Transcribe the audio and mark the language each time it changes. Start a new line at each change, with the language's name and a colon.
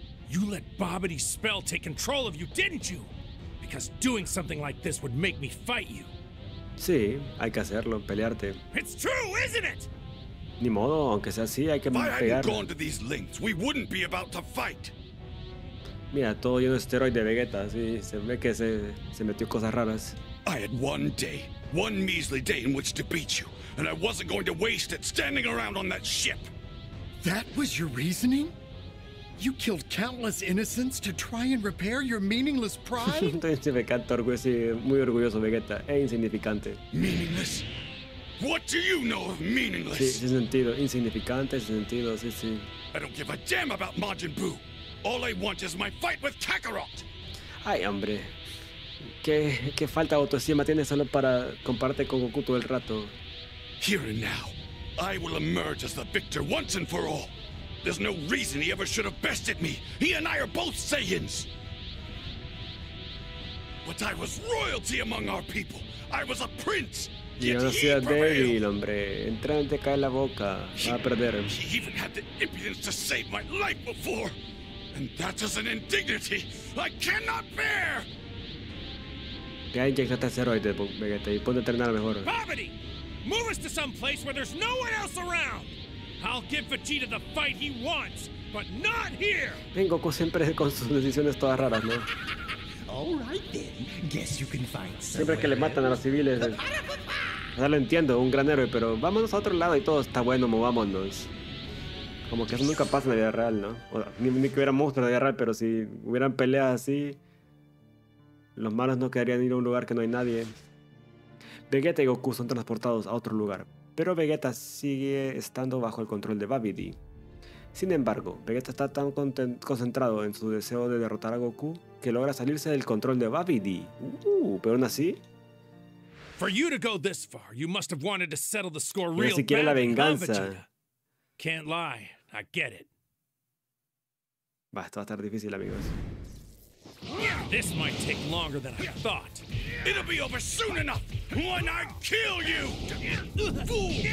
English: You let Babidi's spell take control of you, didn't you? Because doing something like this would make me fight you.
Spanish: Sí, hay que hacerlo, pelearte.
English: It's true, isn't it?
Spanish: Ni modo, aunque sea así, hay que
English: If I hadn't gone to these lengths, we wouldn't be about to fight.
Spanish: Mira, todo lleno de esteroides de Vegeta, sí, se ve que se metió cosas raras.
English: I had one day, one measly day in which to beat you, and I wasn't going to waste it standing around on that ship. That was your reasoning? You killed countless innocents to try and repair your meaningless pride?
Spanish: Insignificante, orgulloso, muy orgulloso Vegeta, e insignificante.
English: Meaningless? What do you know of meaningless?
Spanish: Sí, sin sentido, insignificante, sin sentido, sí.
English: I don't give a damn about Majin Buu. All I want is my fight with Kakarot.
Spanish: Ay, hombre. ¿Qué falta de autoestima tienes solo para compararte con Goku todo el rato?
English: Here and now, I will emerge as the victor once and for all. There's no reason he ever should have bested me. He and I are both Saiyans. But I was royalty among our people. I was a prince.
Spanish: Y aún así es débil, hombre. Entrante cae en la boca. Va a perder.
English: He even had the impudence to save my life before. And that is an indignity I cannot bear.
Spanish: Te ha inyectado esteroides, Vegeta, y ponte a entrenar mejor.
English: Babidi, move us to some place where there's no one else around. I'll give Vegeta the fight he wants, but not here.
Spanish: Vengo con siempre con sus decisiones todas raras, ¿no?
English: All right then. Guess you can find someone.
Spanish: Siempre que le matan a los civiles. O sea, lo entiendo, un gran héroe, pero vámonos a otro lado y todo está bueno, movámonos. Como que eso nunca pasa en la vida real, ¿no? O sea, ni que hubiera monstruos en la vida real, pero si hubieran peleas así, los malos no querrían ir a un lugar que no hay nadie. Vegeta y Goku son transportados a otro lugar, pero Vegeta sigue estando bajo el control de Babidi. Sin embargo, Vegeta está tan concentrado en su deseo de derrotar a Goku que logra salirse del control de Babidi. Pero aún así.
English: For you to go this far, you must have wanted to settle the score real
Spanish: bad. Ni siquiera la venganza.
English: Can't lie, I get it.
Spanish: Va, esto va a estar difícil, amigos.
English: This might take longer than I thought. It'll be over soon enough when I kill you, fool.